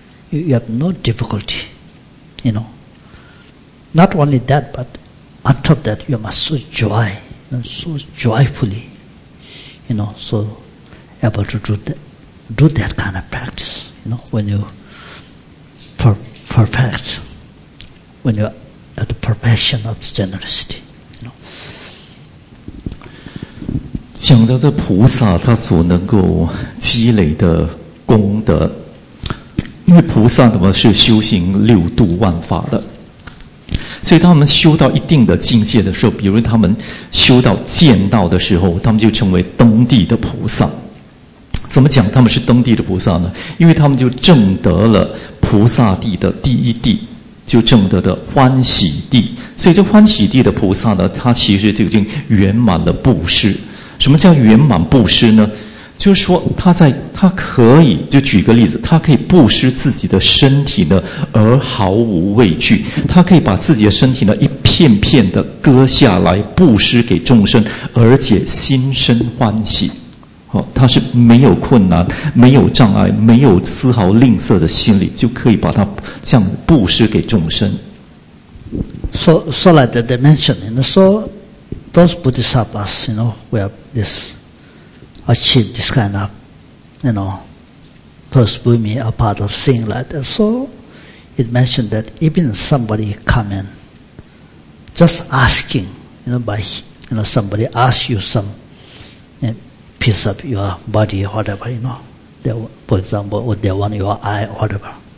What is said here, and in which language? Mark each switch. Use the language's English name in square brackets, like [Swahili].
[English] You have no difficulty, you know. Not only that, but on top of that, you must so joy, you know, so joyfully, you know, so able to do that kind of practice, you know, when you perfect, when you at the perfection of the generosity. [Chinese] 讲到的菩萨他所能够积累的功德，因为菩萨怎么是修行六度万法的，所以当他们修到一定的境界的时候，比如他们修到见道的时候，他们就成为登地的菩萨。怎么讲他们是登地的菩萨呢？因为他们就证得了菩萨地的第一地，就证得的欢喜地。所以这欢喜地的菩萨呢，他其实就已经圆满了布施。什么叫圆满布施呢？就是说他可以，就举个例子，他可以布施自己的身体呢而毫无畏惧，他可以把自己的身体呢一片片的割下来布施给众生，而且心生欢喜，他是没有困难没有障碍没有丝毫吝啬的心理，就可以把他这样布施给众生。 [English] So like that they mentioned, you know, so those Bodhisattvas, you know, who have thisAchieve this kind of, you know, first bhumi, a part of seeing like that. So, it mentioned that even somebody come in, just asking, you know, by, you know, somebody ask you some, you know, piece of your body, whatever, you know, they, for example, would they want your eye, whatever.